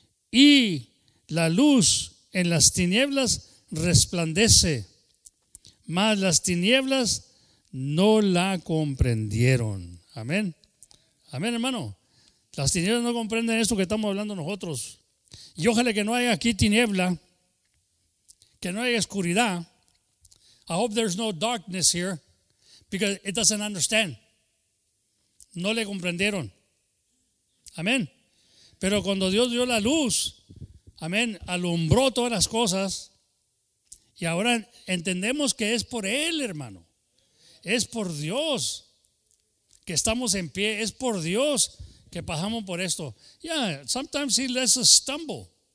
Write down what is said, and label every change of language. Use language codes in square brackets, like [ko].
[es] Y la luz en las tinieblas resplandece, mas las tinieblas no la comprendieron. Amén. Amén, hermano. Las tinieblas no comprenden esto que estamos hablando nosotros. Y ojalá que no haya aquí tiniebla, que no haya oscuridad. [en] I hope there's no darkness here, because it doesn't understand. [es] No le comprendieron. Amén. Pero cuando Dios dio la luz, amén, alumbró todas las cosas. Y ahora entendemos que es por Él, hermano. Es por Dios que estamos en pie. Es por Dios que pasamos por esto. [en] Yeah, sometimes He lets us stumble.